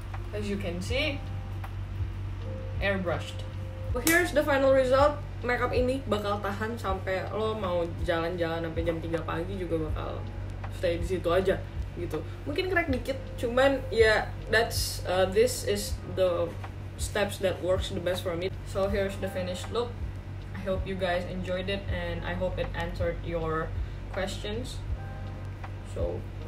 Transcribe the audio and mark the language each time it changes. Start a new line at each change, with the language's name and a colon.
English: As you can see, airbrushed. Well, here's the final result.
Indonesian: Makeup ini bakal tahan sampai lo mau jalan-jalan sampai jam 3 pagi juga bakal stay di situ aja, gitu. Mungkin crack dikit, cuman ya
English: this is the steps that works the best for me. So here's the finished look. I hope you guys enjoyed it and I hope it answered your questions. So